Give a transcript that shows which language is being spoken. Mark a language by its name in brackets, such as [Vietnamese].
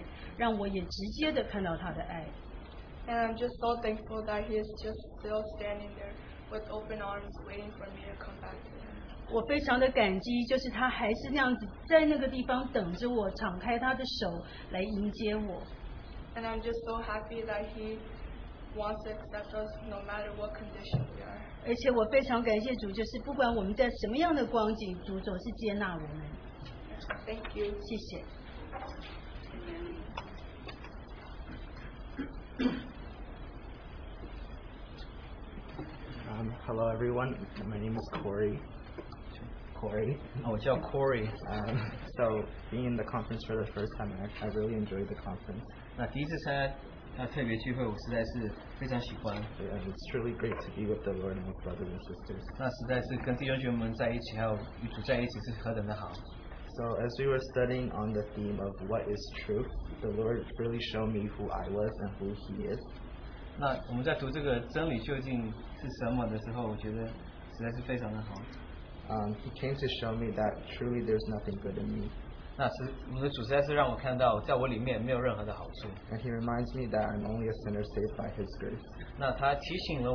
[Chinese] 感谢主借着这个特会，他让我借着弟兄姐妹们看到他的爱，让我也直接的看到他的爱。 [English] And I'm just so thankful that He is just still standing there with open arms waiting for me to come back to Him. [Chinese] 我非常的感激，就是他还是那样子在那个地方等着我，敞开他的手来迎接我。 [English] And I'm just so happy that He wants to accept us no matter what condition we are. [Chinese] 而且我非常感谢主，就是不管我们在什么样的光景，主总是接纳我们。 [English] Thank you. [Chinese] 谢谢。 [English] Hello, everyone. My name is Corey. [Chinese] Oh, 我叫 Corey. [English] So So being in the conference for the first time, I really enjoyed the conference. [Chinese] 那第一次参加特别聚会，我实在是非常喜欢。 [English] Yeah, it's really great to be with the Lord and with brothers and sisters. [Chinese] 那实在是跟弟兄姐妹们在一起，还有一组在一起，是何等的好。 [English] So as we were studying on the theme of what is truth, the Lord really showed me who I was and who He is. [Chinese] 那我们在读这个真理究竟是什么的时候，我觉得实在是非常的好。 [English] He came to show me that truly there's nothing good in me. [Chinese] 那是我们的主实在是让我看到，在我里面没有任何的好处。 [English] And He reminds me that I'm only a sinner saved by His grace.